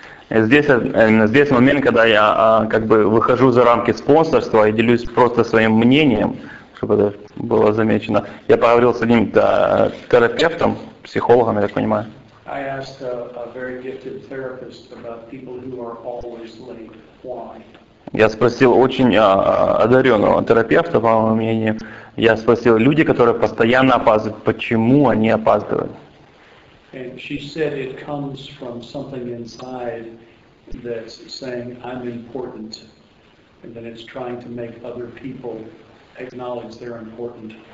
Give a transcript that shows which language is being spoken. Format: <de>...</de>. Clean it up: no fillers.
<ru>Здесь момент, когда я как бы выхожу за рамки спонсорства и делюсь просто своим мнением, чтобы это было замечено. Я поговорил с одним терапевтом, психологом, я так понимаю.</ru> <en>I asked a very gifted therapist about people who are always late. Why?</en> <ru>Я спросил очень одаренного терапевта, по моему мнению. Я спросил люди, которые постоянно опаздывают, почему они опаздывают.</ru> <en>And she said it comes from something inside that's saying I'm important, and that it's trying to make other people acknowledge they're important.</en>